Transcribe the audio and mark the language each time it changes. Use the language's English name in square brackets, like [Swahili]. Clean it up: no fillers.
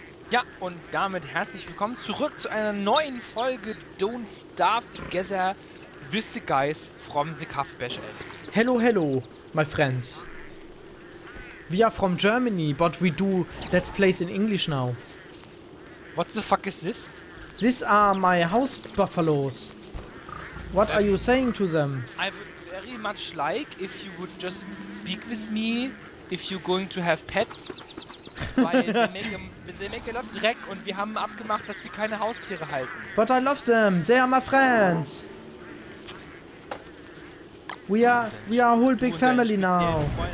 [German] Ja, und damit herzlich willkommen zurück zu einer neuen Folge Don't Starve Together with the Guys from the Cuff Bashel. [English] Hello, hello, my friends. We are from Germany, but we do Let's Plays in English now. What the fuck is this? These are my house buffaloes. What are you saying to them? I would very much like if you would just speak with me if you're going to have pets. [German] Weil sie [English] make a lot of [German] Dreck und wir haben abgemacht, dass wir keine Haustiere halten. [English] But I love them. They are my friends. We are a whole big family now.